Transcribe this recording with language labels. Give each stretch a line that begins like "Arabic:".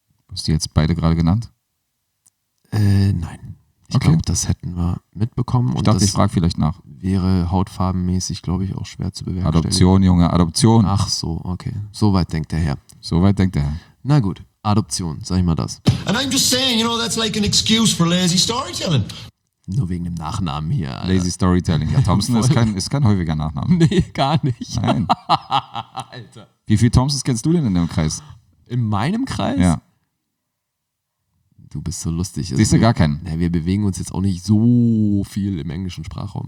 German: Hast du jetzt beide gerade genannt? Nein. Ich glaube, das hätten wir mitbekommen. Ich dachte, ich frage vielleicht nach. Wäre hautfarbenmäßig, glaube ich, auch schwer zu bewerkstelligen. Adoption, Junge, Adoption. Ach so, okay. Soweit denkt der Herr. Soweit denkt der Herr. Na gut, Adoption, sag ich mal das.
English: And I'm just saying, you know, that's like an excuse for lazy storytelling.
German: Nur wegen dem Nachnamen hier. Alter.
English: Lazy Storytelling.
German: Ja, Thompson ist kein häufiger Nachname. Nee, gar nicht. Nein. Alter. Wie viele Thompsons kennst du denn in deinem Kreis? In meinem Kreis? Ja. Du bist so lustig. Siehst du gar keinen? Na, wir bewegen uns jetzt auch nicht so viel im englischen Sprachraum.